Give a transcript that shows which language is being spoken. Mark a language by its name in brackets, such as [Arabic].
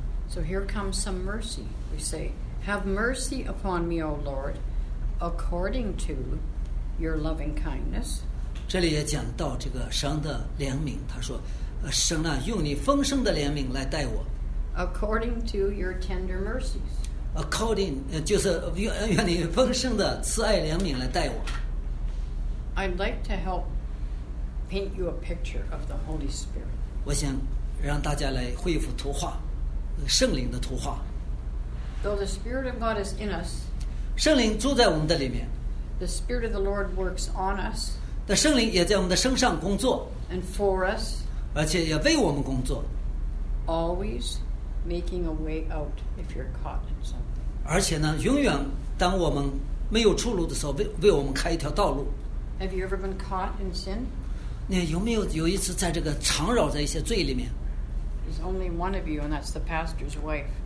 [English] So here comes some mercy. We say, "Have mercy upon me, O Lord, according to your loving kindness." [Chinese] 这里也讲到这个神的怜悯，他说，神啊，用你丰盛的怜悯来待我。 [English] According to your tender mercies. [Chinese] According, 就是用你丰盛的慈爱怜悯来待我。 [English] I'd like to help paint you a picture of the Holy Spirit. [Chinese] 我想让大家来绘一幅图画，圣灵的图画。 [English] Though the Spirit of God is in us, [Chinese] 圣灵住在我们的里面。 [English] The Spirit of the Lord works on us. [Chinese] 那圣灵也在我们的身上工作。 [English] And for us. [Chinese] 而且也为我们工作。 [English] Always making a way out if you're caught in something. [Chinese] 而且呢，永远当我们没有出路的时候，为我们开一条道路。 [English] Have you ever been caught in sin? [Chinese] 你有没有一次在这个缠绕在一些罪里面？ [English] There's only one of you, and that's the pastor's wife.